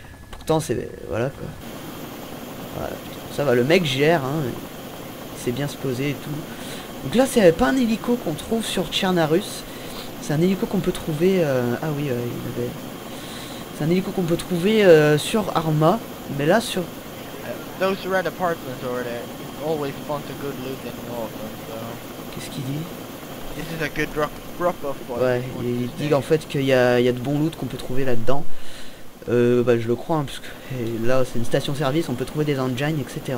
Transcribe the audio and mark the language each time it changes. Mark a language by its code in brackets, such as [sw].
[fr] Pourtant c'est... voilà quoi. Voilà, ça va, le mec gère hein. Il sait bien se poser et tout. Donc là c'est pas un hélico qu'on trouve sur Tchernarus. C'est un hélico qu'on peut trouver... ah oui, il avait... C'est un hélico qu'on peut trouver sur Arma. Mais là sur... [en] Those red apartments over there always spawned a good loot in all of them, so... [fr] Qu'est-ce qu'il dit? [en] This is a good drop off point. [fr] Ouais, il dit en fait qu'il y a de bons loot qu'on peut trouver là-dedans. Bah je le crois, hein, parce que là c'est une station service, on peut trouver des engines, etc.